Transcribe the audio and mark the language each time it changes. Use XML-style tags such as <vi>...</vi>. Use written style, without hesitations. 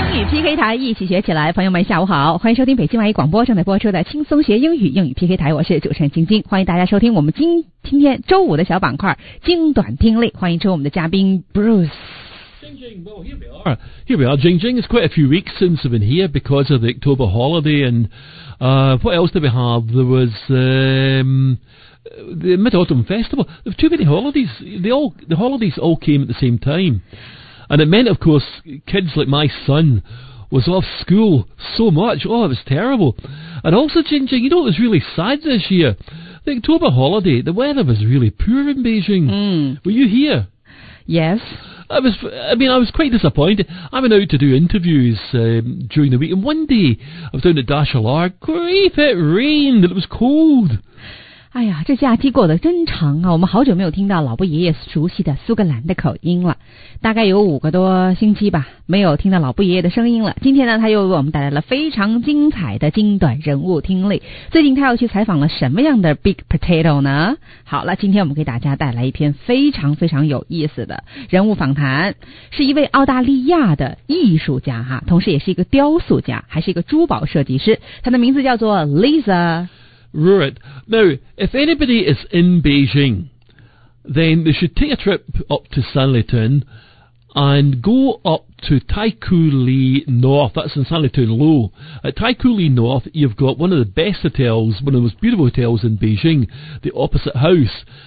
<zh>PK 台一起学起来，朋友们下午好，欢迎收听北京外语广播正在播出的轻松学英语英语 PK 台，我是主持人晶晶，欢迎大家收听我们今天周五的小板块精短听力，欢迎出我们的嘉宾 Bruce。</zh> <en>Jing Jing, well, here we are. Jing Jing, it's quite a few weeks since I've been here because of the October holiday and, what else did we have? There was, the Mid-Autumn Festival. There were too many holidays. The holidays all came at the same time. And it meant, of course, kids like my son was off school so much. Oh, it was terrible. And also, Jing Jing, you know what was really sad this year? The October holiday, the weather was really poor in Beijing. Were you here? Yes. I was quite disappointed. I went out to do interviews, during the week, and one day, I was down at Dashalar. Grief, it rained, and it was cold.</en> <zh>哎呀，这假期过得真长啊，我们好久没有听到老伯爷爷熟悉的苏格兰的口音了。大概有五个多星期吧，没有听到老伯爷爷的声音了。今天呢，他又为我们带来了非常精彩的精短人物听力。最近他又去采访了什么样的 Big Potato 呢？好了，今天我们给大家带来一篇非常非常有意思的人物访谈，是一位澳大利亚的艺术家哈，同时也是一个雕塑家，还是一个珠宝设计师。他的名字叫做 Lisa</zh> <en>Ruit. Now, if anybody is in Beijing, then they should take a trip up to Sanlitun and go up to Tai Koo Lee North. That's in Sanlitun Low. At Tai Koo Lee North, you've got one of the best hotels, one of the most beautiful hotels in Beijing, the Opposite House.</en>